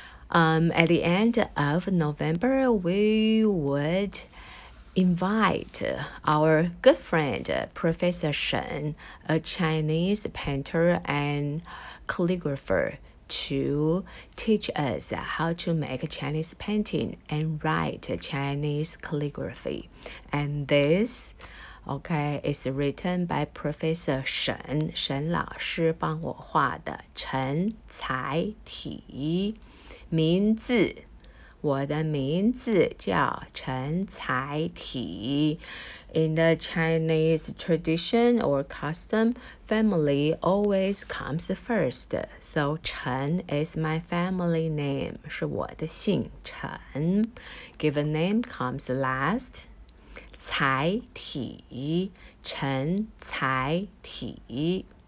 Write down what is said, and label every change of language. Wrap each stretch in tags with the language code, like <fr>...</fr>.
<en>At the end of November, we would invite our good friend, Professor Shen, a Chinese painter and calligrapher,to teach us how to make Chinese painting and write Chinese calligraphy. And this, okay, is written by Professor Shen, Shen</en> <zh>老师帮我画的陈彩体。名字，我的名字叫陈彩体。</zh> <en>In the Chinese tradition or custom, family always comes first. So, 陈 is my family name,</en> <zh>是我的姓陈。</zh> <en>Given name comes last. 彩体，陈彩体。</en>